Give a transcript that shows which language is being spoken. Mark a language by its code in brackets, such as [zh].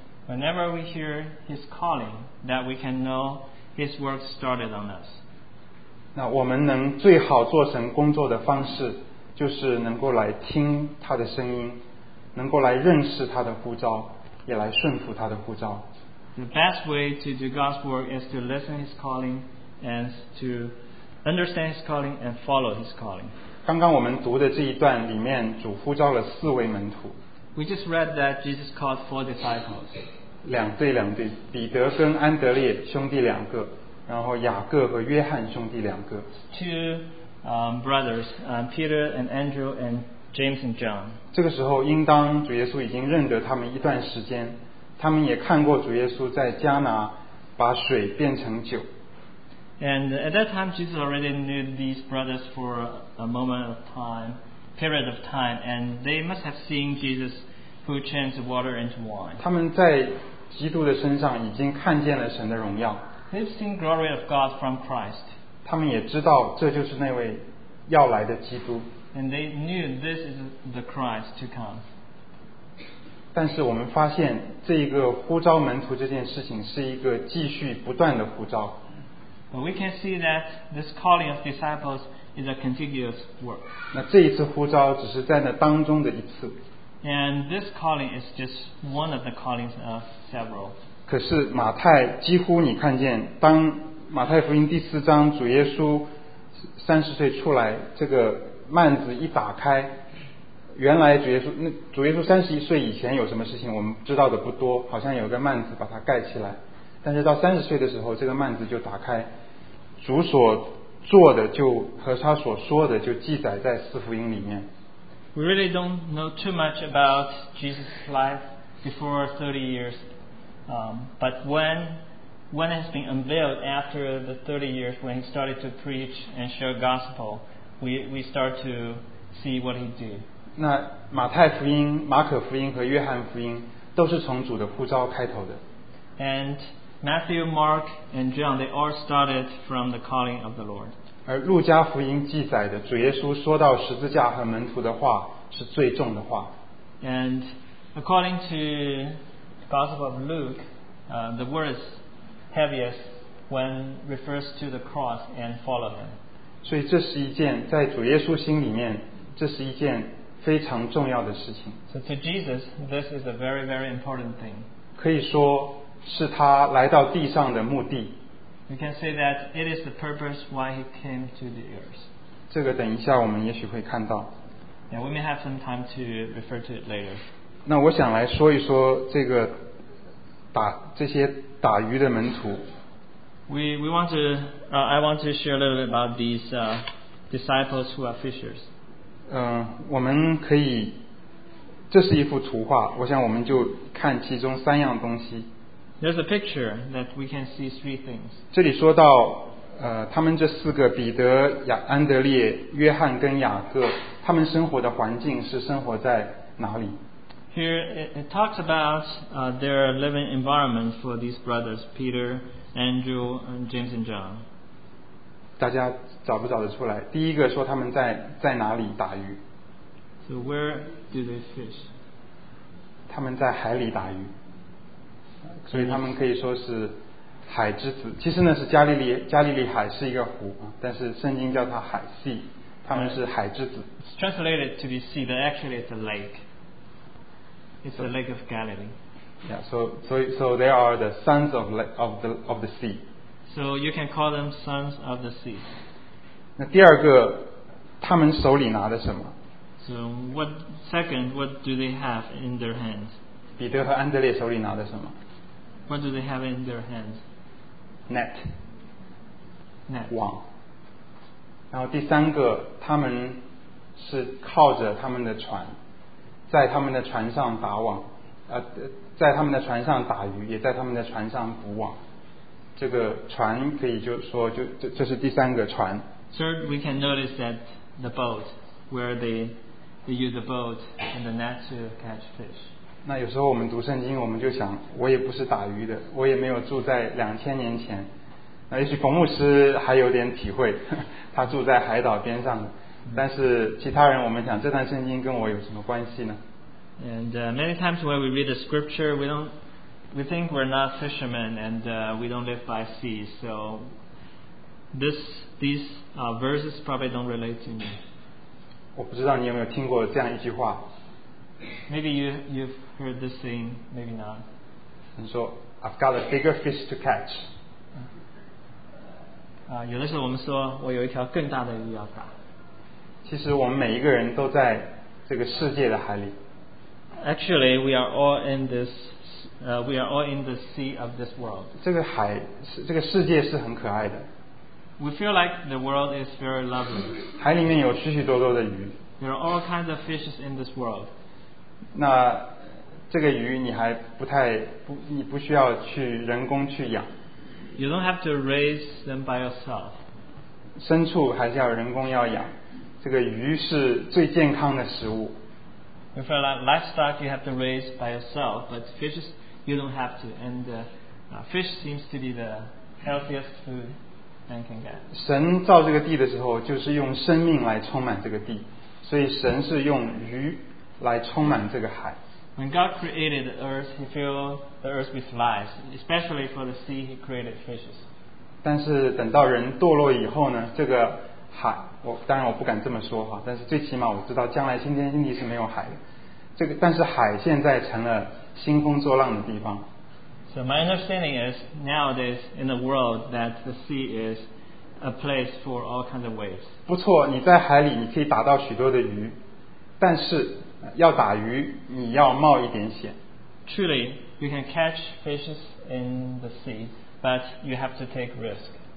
[en] Whenever we hear His calling, that we can know His work started on us. [zh] 那我们能最好做神工作的方式，就是能够来听他的声音，能够来认识他的呼召，也来顺服他的呼召。 [en] The best way to do God's work is to listen His calling and to understand His calling and follow His calling. [zh] 刚刚我们读的这一段里面，主呼召了四位门徒。 [en] We just read that Jesus called four disciples. [zh] 两对两对，彼得跟安德烈兄弟两个，然后雅各和约翰兄弟两个。 [en] Two brothers, Peter and Andrew and James and John. [zh] 这个时候，应当主耶稣已经认得他们一段时间，他们也看过主耶稣在迦拿把水变成酒。 [en] And at that time, Jesus already knew these brothers for a moment of time, period of time, and they must have seen Jesus who changed water into wine. [zh] 他们在基督的身上已经看见了神的荣耀。 [en] They've seen glory of God from Christ. [zh] 他们也知道这就是那位要来的基督。 [en] And they knew this is the Christ to come. [zh] 但是我们发现这一个呼召门徒这件事情是一个继续不断的呼召。 [en] But we can see that this calling of disciples is a contiguous work. [zh] 那这一次呼召只是在那当中的一次。 [en] And this calling is just one of the callings of several. [zh] 可是马太几乎你看见，当马太福音第四章主耶稣30岁出来，这个幔子一打开，原来主耶稣31岁以前有什么事情我们知道的不多，好像有个幔子把它盖起来。但是到30岁的时候，这个幔子就打开，主所做的就和他所说的就记载在四福音里面。 [en] We really don't know too much about Jesus' life before 30 years, but when it has been unveiled after the 30 years, when he started to preach and share gospel, we start to see what he did. [zh] 那马太福音、马可福音和约翰福音都是从主的呼召开头的。 [en] And Matthew, Mark, and John, they all started from the calling of the Lord. [zh] 而路加福音记载的主耶稣说到十字架和门徒的话是最重的话。 [en] And according to the Gospel of Luke, the word is heaviest when refers to the cross and follow him. [zh] 所以这是一件在主耶稣心里面，这是一件非常重要的事情。 [en] So to Jesus, this is a very, very important thing. [zh] 可以说是他来到地上的目的。 [en] We can say that it is the purpose why he came to the earth. [zh] 这个等一下我们也许会看到。 [en] Yeah, we may have some time to refer to it later. [zh] 那我想来说一说这个这些打鱼的门徒。 [en] I want to share a little bit about these disciples who are fishers. [zh] 我们可以，这是一幅图画，我想我们就看其中三样东西。 [en] There's a picture that we can see three things. [zh] 这里说到，他们这四个彼得、雅、安德烈、约翰跟雅各，他们生活的环境是生活在哪里？ [en] Here it talks about their living environment for these brothers, Peter, Andrew, and James and John. [zh] 大家找不找得出来？第一个说他们在哪里打鱼？ [en] So where do they fish? [zh] 他们在海里打鱼。所以他们可以说是海之子，其实呢是加利利海是一个湖，但是圣经叫它海 sea， 他们是海之子。 [en] It's translated to be sea, but actually it's a lake. It's the lake of Galilee. Yeah, so they are the sons of the sea. So you can call them sons of the sea. [zh] 那第二个，他们手里拿的什么？ [en] So what second? What do they have in their hands? [zh] 彼得和安德烈手里拿的什么？ [en] What do they have in their hands? Net. Net. [zh] 网。然后第三个，他们是靠着他们的船，在他们的船上打网，在他们的船上打鱼，也在他们的船上捕网。这个船可以就说，这是第三个船。 [en] Third, we can notice that the boat where they We use the boat and the net to catch fish. [zh] 那有时候我们读圣经，我们就想，我也不是打鱼的，我也没有住在2000年前。那也许冯牧师还有点体会，他住在海岛边上的。但是其他人，我们想这段圣经跟我有什么关系呢？ [en] And many times when we read the scripture, we think we're not fishermen and we don't live by sea. So these verses probably don't relate to me. [zh] 我不知道你有没有听过这样一句话。 [en] Maybe you've heard this saying, maybe not. And so I've got a bigger fish to catch. [zh] 有的时候我们说我有一条更大的鱼要打。其实我们每一个人都在这个世界的海里。 [en] Actually, we are all in this, we are all in the sea of this world. [zh] 这个海是这个世界是很可爱的。 [en] We feel like the world is very lovely. [zh] 海里面有许许多多的鱼。 [en] There are all kinds of fishes in this world. [zh] 那这个鱼你还不太不你不需要去人工去养。 You don't have to raise them by yourself. 牲畜还是要人工要养。这个鱼是最健康的食物。 [en] If you're like livestock, you have to raise by yourself, but fishes, you don't have to. And fish seems to be the healthiest food man can get. [zh] 神造这个地的时候，就是用生命来充满这个地，所以神是用鱼来充满这个海。 [en] When God created the earth, He filled the earth with life, especially for the sea, He created fishes. [zh] 但是等到人堕落以后呢，这个海我当然我不敢这么说哈，但是最起码我知道将来新天新地是没有海的。这个但是海现在成了兴风作浪的地方。 [en] So my understanding is nowadays in the world that the sea is a place for all kinds of waves. [zh] 不错，你在海里你可以打到许多的鱼，但是要打鱼你要冒一点险。 [en] Truly, you can catch fishes in the sea, but you have to take risk.